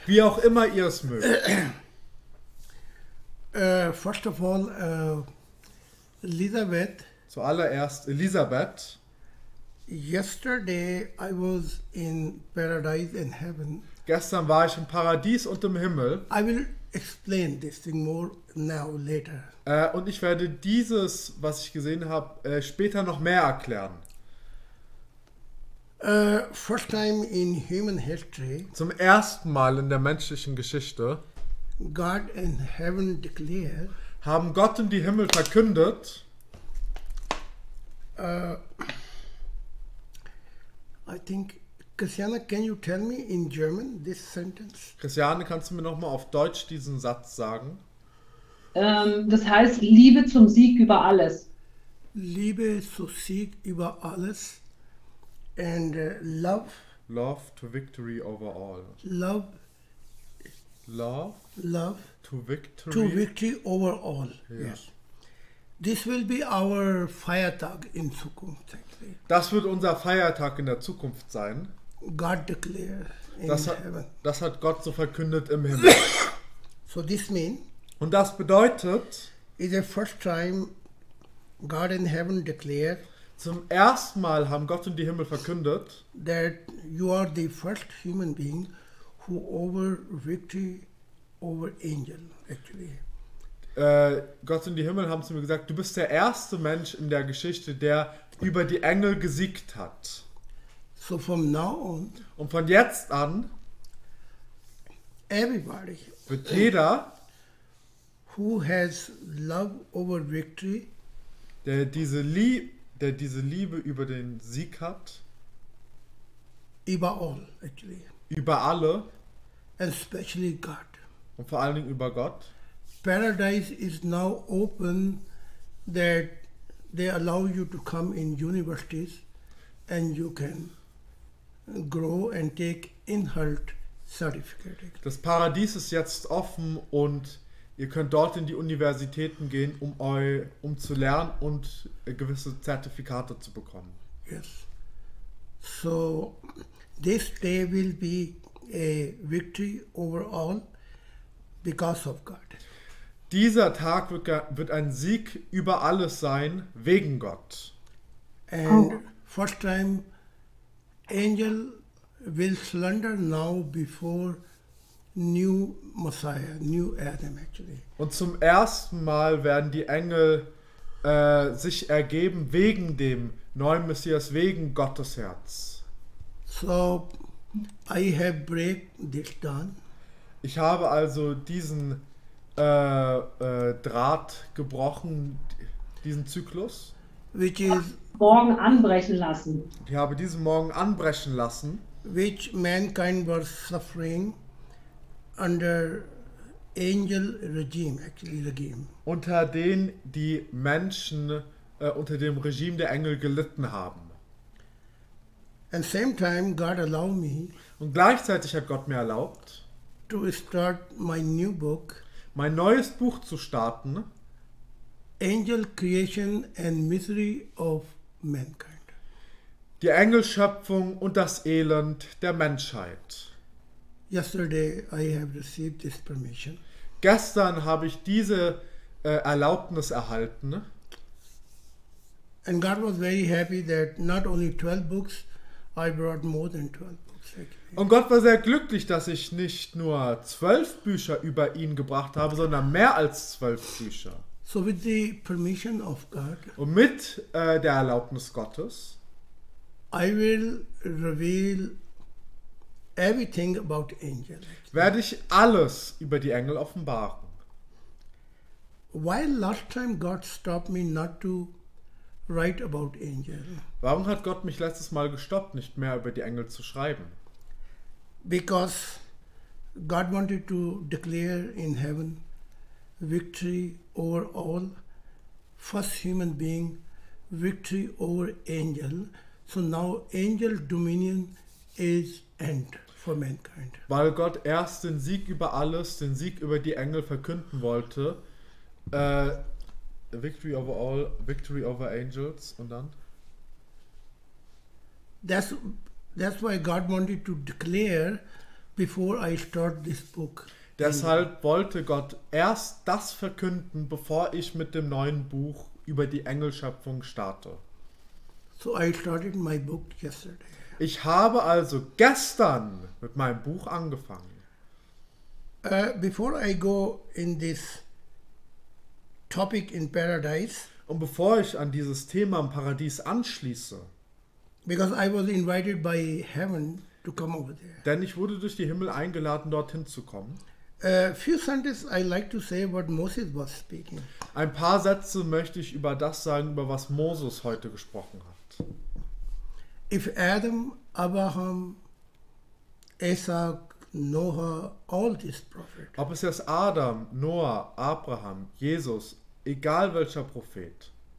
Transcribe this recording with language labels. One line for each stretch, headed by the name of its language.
German: Wie auch immer ihr es mögt.
English: First of all, Elisabeth.
German: Zuallererst Elisabeth.
English: Yesterday I was in paradise in heaven.
German: Gestern war ich im Paradies und im Himmel.
English: I will explain this thing more now later.
German: Und ich werde dieses, was ich gesehen habe, später noch mehr erklären.
English: First time in human history.
German: Zum ersten Mal in der menschlichen Geschichte.
English: God in heaven declared.
German: Haben Gott und die Himmel verkündet.
English: I think, Christiane, can you tell me in German this sentence?
German: Christiane, kannst du mir noch mal auf Deutsch diesen Satz sagen? Das heißt, Liebe zum Sieg über alles. Liebe zum Sieg über alles.
English: And love. Love to victory over all. Love. Love. Love. To victory. To victory over all. Yes. Yes. This will be our
German: Feiertag in Zukunft. Das wird unser Feiertag in der Zukunft sein.
English: God declared in heaven.
German: Das hat Gott so verkündet im Himmel.
English: So this mean,
German: und das bedeutet,
English: is the first time God in heaven declared,
German: zum ersten Mal haben Gott und die Himmel verkündet,
English: that you are the first human being who over victory over angel actually.
German: Gott und die Himmel haben zu mir gesagt, du bist der erste Mensch in der Geschichte, der über die Engel gesiegt hat.
English: So from now on,
German: und von jetzt an,
English: everybody,
German: wird jeder,
English: who has love over victory,
German: der diese Liebe über den Sieg hat, über all, actually, über alle,
English: especially God,
German: und vor allen Dingen über Gott.
English: Paradise is now open that they allow you to come in universities and you can grow and take inhalt certificate.
German: Das Paradies ist jetzt offen und ihr könnt dort in die Universitäten gehen, um zu lernen und gewisse Zertifikate zu bekommen.
English: Yes. So this day will be a victory over all because of God.
German: Dieser Tag wird ein Sieg über alles sein, wegen Gott.
English: And first time angel will slander now before new Messiah, new Adam actually.
German: Und zum ersten Mal werden die Engel sich ergeben wegen dem neuen Messias, wegen Gottes Herz.
English: So I have break this down.
German: Ich habe also diesen Draht gebrochen, diesen Zyklus.
English: Which is
German: morgen anbrechen lassen. Ich habe diesen Morgen anbrechen lassen.
English: Which mankind was suffering under angel regime, actually regime.
German: Unter den die Menschen unter dem Regime der Engel gelitten haben.
English: And same time God allowed me.
German: Und gleichzeitig hat Gott mir erlaubt,
English: to start my new book.
German: Mein neues Buch zu starten.
English: Angel Creation and Misery of Mankind.
German: Die Engelschöpfung und das Elend der Menschheit.
English: Yesterday I have received this permission.
German: Gestern habe ich diese Erlaubnis erhalten.
English: And God was very happy that not only 12 books, I brought more than 12.
German: Und Gott war sehr glücklich, dass ich nicht nur 12 Bücher über ihn gebracht habe, sondern mehr als 12 Bücher.
English: So with the permission of God,
German: und mit der Erlaubnis Gottes,
English: I will reveal everything about angels.
German: Werde ich alles über die Engel offenbaren.
English: Why last time God stopped me not to write about angels?
German: Warum hat Gott mich letztes Mal gestoppt, nicht mehr über die Engel zu schreiben?
English: Because God wanted to declare in heaven victory over all, first human being, victory over angel. So now angel dominion is end for mankind.
German: Weil Gott erst den Sieg über alles, den Sieg über die Engel verkünden wollte.
English: Victory over all, victory over angels,
German: und dann?
English: That's why God wanted to declare before I start this book.
German: Deshalb wollte Gott erst das verkünden, bevor ich mit dem neuen Buch über die Engelschöpfung starte.
English: So I started my book yesterday.
German: Ich habe also gestern mit meinem Buch angefangen.
English: Before I go in this topic in paradise.
German: Und bevor ich an dieses Thema im Paradies anschließe.
English: Because I was invited by heaven to come over there.
German: Denn ich wurde durch die Himmel eingeladen, dorthin zu kommen.
English: Few sentences I like to say what Moses was speaking.
German: Ein paar Sätze möchte ich über das sagen, über was Moses heute gesprochen hat.
English: If Adam, Abraham, Isaac, Noah, all these prophets.
German: Ob es jetzt Adam, Noah, Abraham, Jesus, egal welcher Prophet,